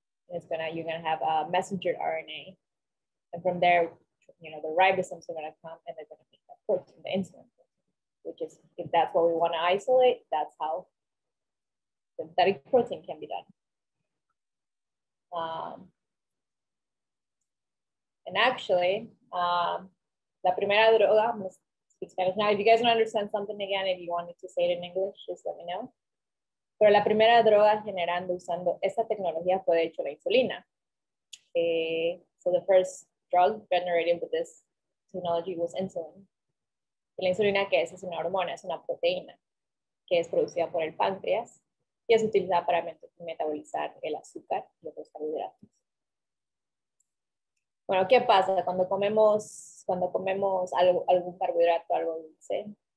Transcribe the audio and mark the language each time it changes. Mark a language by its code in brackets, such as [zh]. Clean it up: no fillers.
[en] You're gonna have a messenger RNA, and from there, you know, the ribosomes are gonna come and they're gonna make that protein, the insulin, which is, if that's what we wanna isolate, that's how synthetic protein can be done. [es] La primera droga, [en] now if you guys don't understand something again, if you wanted to say it in English, just let me know. [es] Pero la primera droga generando usando esa tecnología fue de hecho la insulina. [en] So the first drug generated with this technology was insulin. [es] Y la insulina, ¿qué es? Es una hormona, es una proteína que es producida por el páncreas y es utilizada para metabolizar el azúcar y otros carbohidratos. Bueno, ¿qué pasa cuando comemos algún carbohidrato, algo dulce?